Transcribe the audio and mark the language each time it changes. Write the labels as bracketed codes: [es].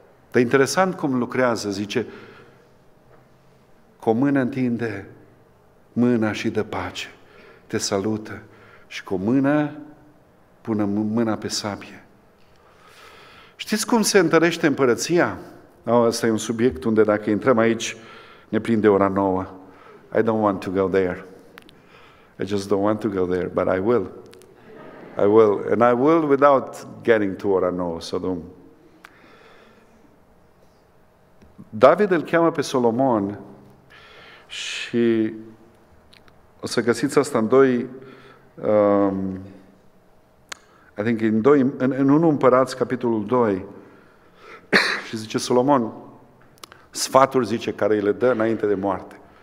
[ro] Dar interesant cum lucrează, zice, cu o mână întinde mâna și dă pace, te salută. Și cu o mână, pune mâna pe sabie. Știți cum se întărește împărăția? Asta e un subiect unde dacă intrăm aici, ne prinde ora 9. [en] I don't want to go there. I just don't want to go there, but I will. I will, and I will without getting to [ro] ora 9. So David îl cheamă pe Solomon și o să găsiți asta în 2 [en] I think in 2, [ro] în 1 Împărați, capitolul 2, și zice Solomon, sfaturi, zice, care îi le dă înainte de moarte.